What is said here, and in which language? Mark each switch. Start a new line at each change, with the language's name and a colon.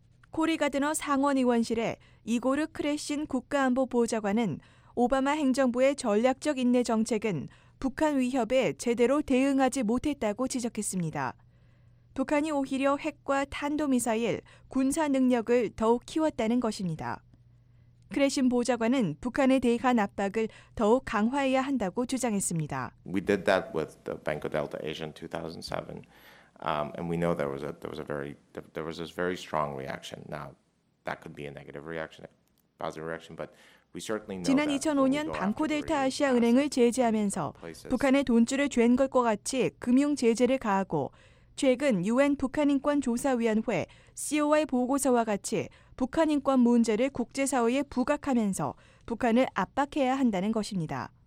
Korean: 코리 가드너 상원의원실의 이고르 크레신 국가안보 보좌관은 오바마 행정부의 전략적 인내 정책은 북한 위협에 제대로 대응하지 못했다고 지적했습니다. 북한이 오히려 핵과 탄도미사일, 군사 능력을 더욱 키웠다는 것입니다. 크레신 보좌관은 북한에 대한 압박을 더욱 강화해야 한다고 주장했습니다.
English: We did that with the Banco Delta Asia in 2007, and we know there was a very strong reaction. Now that could be a negative reaction, positive reaction, but
Korean: 지난 2005년 방코 델타 아시아 은행을 제재하면서 북한에 돈줄을 쥔 것과 같이 금융 제재를 가하고 최근 UN 북한인권조사위원회 COI 보고서와 같이 북한인권 문제를 국제사회에 부각하면서 북한을 압박해야 한다는 것입니다.